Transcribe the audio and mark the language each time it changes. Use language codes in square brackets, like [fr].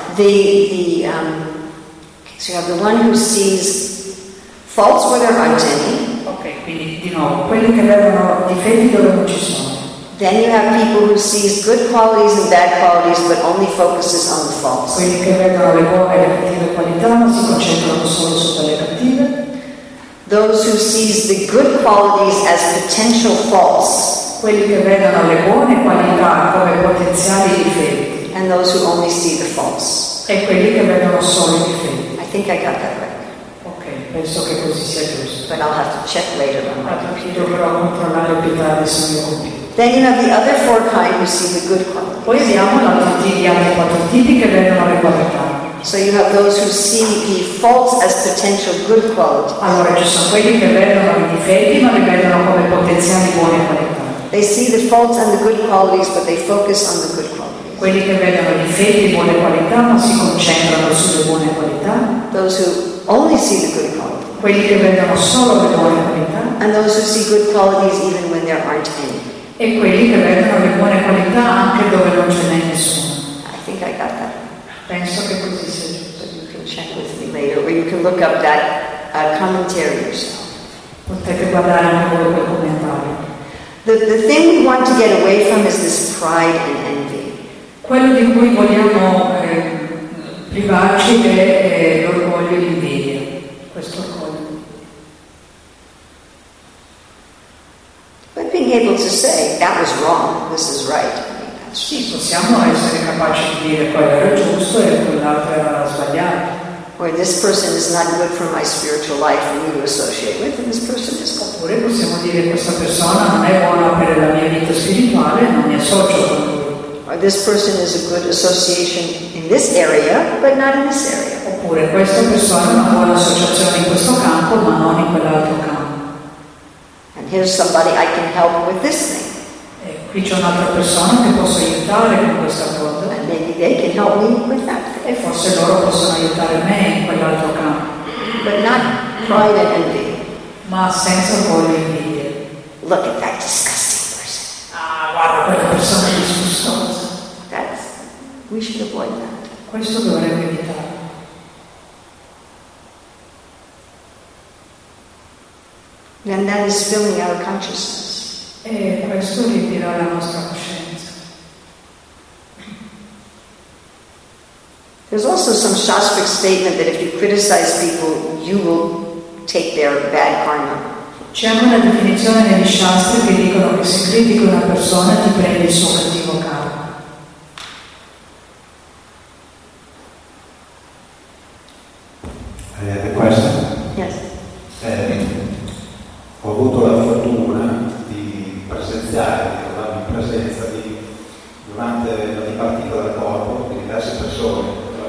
[en] So you have the one who sees faults where there aren't any. [it] Okay, quindi di nuovo quelli che vedono difetti dove non ci sono. [en] Then you have people who sees good qualities and bad qualities, but only focuses on the faults. [it] Quelli che vedono le buone e le cattive qualità, ma si concentrano solo sulle cattive. [en] Those who sees the good qualities as potential faults. [it] Quelli che vedono le buone qualità come potenziali difetti. [en] And those who only see the faults. [it] E quelli che vedono solo i difetti. [en] I think I got that right. [it] Okay, penso che così sia giusto. [en] But I'll have to check later on my computer. [it] Dovrò controllare più tardi sul mio computer. [en] Then you have the other four kinds who see the good qualities. [it] Poi abbiamo gli altri quattro tipi che vedono le qualità. [en] So you have those who see the faults as potential good qualities. [it] Allora ci sono quelli che vedono i difetti ma li vedono come potenziali buone qualità. [en] They see the faults and the good qualities, but they focus on the good qualities. [it] Quelli che vedono difetti e buone qualità, ma si concentrano sulle buone qualità. [en] Those who only see the good qualities. [it] Quelli che vedono solo le buone qualità. [en] And those who see good qualities even when there aren't any. [it] E quelli che vedono le buone qualità anche dove non ce n'è nessuno. [en] think I got that. [it] Penso che così sia giusto. [en] You can check with me later, or you can look up that commentary yourself. [it] Potete guardare anche voi quel commentario. [en] The thing we want to get away from is this pride and envy. [it] Quello di cui vogliamo privarci è l'orgoglio e l'invidia. Questo orgoglio. [en] But being able to say that was wrong, this is right. [it] Sì, possiamo essere capaci di dire quello era giusto e quell'altro era sbagliato. [en] Or this person is not good for my spiritual life for me to associate with, and this person is good. [it] Oppure possiamo dire questa persona non è buona per la mia vita spirituale, non mi associo con lui. [en] Or this person is a good association in this area, but not in this area. [it] Oppure questa persona è una buona associazione in questo campo, ma non in quell'altro campo. [en] And here's somebody I can help with this thing. [it] E qui c'è un'altra persona che posso aiutare con questa cosa. [en] And maybe they can help me with that. [it] E forse loro possono aiutare me in quell'altro campo. [en] But not pride and envy. [it] Ma senza orgoglio e invidia. [en] Look at that disgusting person. [it] Ah, guarda quella persona disgustosa. [en] That's, we should avoid that. [it] Questo dovremmo evitare. [en] And that is filling our consciousness. [it] E questo riempirà la nostra coscienza. [en] There's also some Shastric statement that if you criticize people, you will take their bad karma. [it] C'è una definizione negli Shastri che dicono che se critico una persona ti prende il suo cattivo karma. [en] Any other question? Yes. [it] Ho avuto la fortuna di presenziare, di trovarmi in presenza di, durante la dipartita del corpo, di diverse persone.